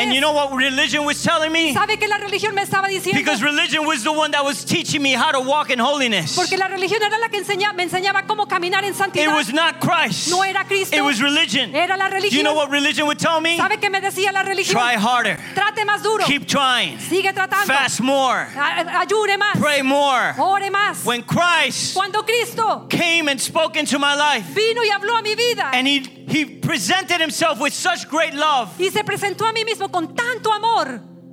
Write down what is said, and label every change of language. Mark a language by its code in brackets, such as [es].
[en] And you know what religion was telling me? [es] ¿Sabe que la religión me estaba diciendo? [en] Because religion religion was the one that was teaching me how to walk in holiness. [es] Porque la religión era la que me enseñaba cómo caminar en santidad. [en] It was not Christ. [es] No era Cristo. [en] It was religion. [es] Era la religión. [en] Do you know what religion would tell me? [es] ¿Sabe qué me decía la religión? [en] Try harder. [es] Trate más duro. [en] Keep trying. [es] Sigue tratando. [en] Fast more. [es] Ayune más. [en] Pray more. [es] Ore más. [en] When Christ [es] Cuando Cristo [en] came and spoke into my life, [es] vino y habló a mi vida. [en] And he presented himself with such great love. [es] Y se presentó a mí mismo con tanto amor.